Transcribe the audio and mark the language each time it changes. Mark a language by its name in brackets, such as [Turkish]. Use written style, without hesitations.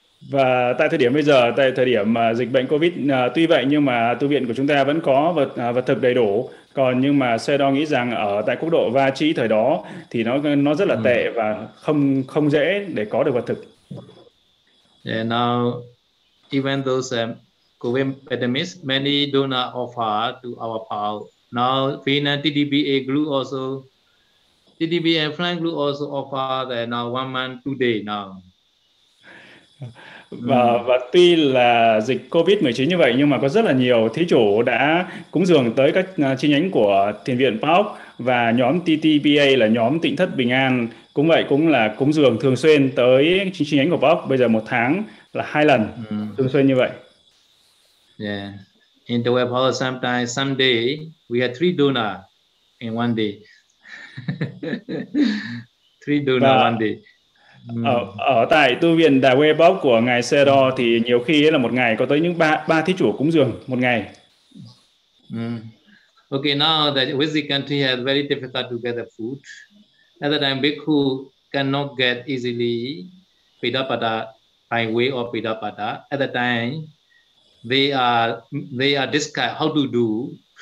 [Vietnamese] Và tại thời điểm bây giờ, tại thời điểm dịch bệnh COVID, tuy vậy nhưng mà tu viện của chúng ta vẫn có vật thực đầy đủ. Còn nhưng mà xe đo nghĩ rằng ở tại quốc độ Va Chi thời đó thì nó rất là tệ và không không dễ để có được vật thực. [English] Now, even those COVID pandemics, many donors offer to our power. Now, Vietnam TDBA group also, TDBA and Frank group also offer that now 1 month, 2 days now. [Vietnamese] Và tuy là dịch COVID-19 như vậy nhưng mà có rất là nhiều thí chủ đã cúng dường tới các chi nhánh của Thiền viện Park và nhóm TTBA là nhóm Tịnh Thất Bình An cũng vậy, cũng là cúng dường thường xuyên tới chi nhánh của Park, bây giờ một tháng là 2 lần thường xuyên như vậy. [English] In the web hall sometimes someday we have three donor in one day. Three donor one [Vietnamese] Và [English] day. [Vietnamese] ở tại tu viện Đà Huê Bóc của ngài Xe Đo thì nhiều khi ấy là một ngày có tới những ba thí chủ cúng dường một ngày. [English] Okay, now that busy country has very difficult to get the food. At the time, bhikkhu cannot get easily Pidapada by way of Pidapada. At the time, they are discussed how to do.